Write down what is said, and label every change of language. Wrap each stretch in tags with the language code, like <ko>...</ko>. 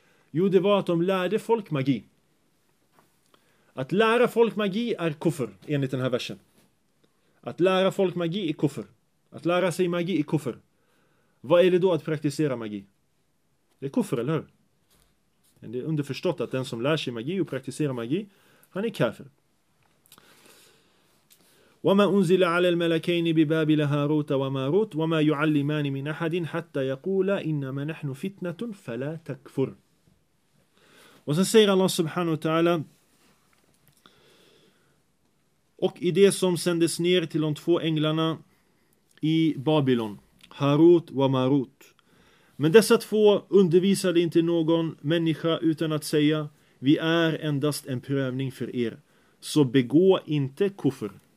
<sv>Jo, det var att de lärde folk magi. Att lära folk magi är kuffer, enligt den här versen. Att lära folk magi är kuffer. Att lära sig magi är kuffer. Vad är det då att praktisera magi? Det är kuffer, eller hur? Det är underförstått att den som lär sig magi och praktiserar magi, han är kafir.</sv> <ar>وما أنزل على الملكين ببابل هاروت وماروت وما يعلمان من أحد حتى يقولا إنما نحن فتنة فلا تكفر.</ar> <sv>Och sen säger Allah subhanahu wa ta'ala, och i det som sändes ner till de två änglarna i Babylon, Harut och Marut. Men dessa två undervisade inte någon människa utan att säga, vi är endast en prövning för er, så begå inte kufr.</sv>